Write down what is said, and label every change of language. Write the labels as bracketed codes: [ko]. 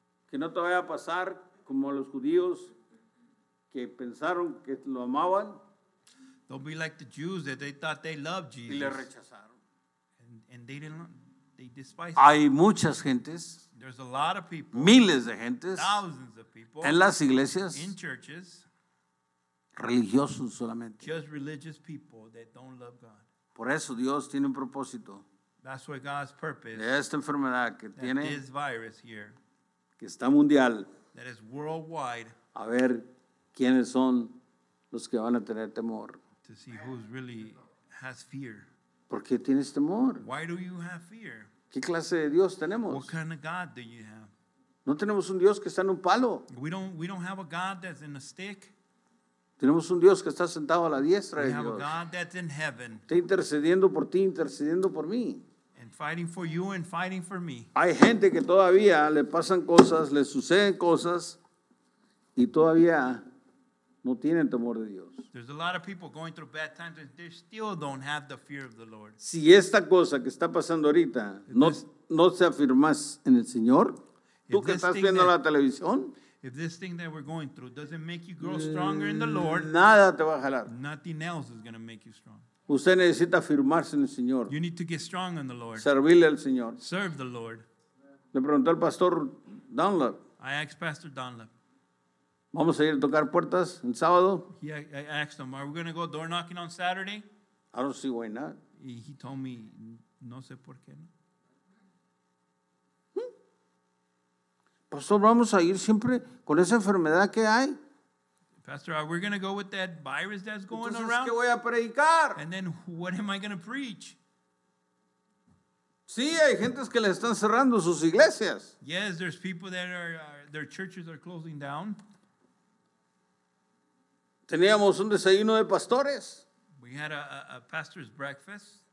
[es] Que no te vaya a pasar como los judíos que pensaron que lo amaban. [en] Don't be like the Jews that they thought they loved Jesus. [es] Y le rechazaron. [en] And they despised him. [es] Hay muchas gentes. [en] There's a lot of people. [es] Miles de gentes. [en] Thousands of people. [es] En las iglesias. [en] In churches. [es] Religiosos solamente. [en] Just religious people that don't love God. [es] Por eso Dios tiene un propósito. [en] That's what God's purpose. [es] De esta enfermedad que tiene, [en] this virus here, [es] que está mundial, [en] that is worldwide. [es] A ver quiénes son los que van a tener temor. [en] To see who's really has fear. [es] ¿Por qué tienes temor? [en] Why do you have fear? [es] ¿Qué clase de Dios tenemos? [en] What kind of God do you have? [es] No tenemos un Dios que está en un palo. [en] We don't have a God that's in a stick. [es] Tenemos un Dios que está sentado a la diestra de Dios. [en] God that's in heaven. [es] Está intercediendo por ti, intercediendo por mí. [en] And fighting for you and fighting for me. [es] Hay gente que todavía le pasan cosas, le suceden cosas y todavía no tienen temor de Dios. [en] There's a lot of people going through bad times and they still don't have the fear of the Lord. [es] Si esta cosa que está pasando ahorita no se afirmas en el Señor, tú que estás viendo la televisión, [en] if this thing that we're going through doesn't make you grow stronger in the Lord, [es] nada te va a jalar. [en] Nothing else is going to make you strong. [es] Usted necesita afirmarse en el Señor. [en] You need to get strong in the Lord. [es] Servirle al Señor. [en] Serve the Lord. [es] Le preguntó al Pastor Dunlap. [en] I asked Pastor Dunlap. [es] ¿Vamos a ir a tocar puertas el sábado? [en] I asked him, are we going to go door knocking on Saturday? I don't see why not. He told me, [es] no sé por qué no. Pastor, vamos a ir siempre con esa enfermedad que hay. [en] Pastor, are we going to go with that virus that's going [es] entonces, [en] around? [es] ¿Qué voy a predicar? [en] And then what am I going to preach? [es] Sí, hay gentes que le están cerrando sus iglesias. [en] Yes, there's people that are, their churches are closing down. [es] Teníamos un desayuno de pastores. [en] We had a pastor's breakfast.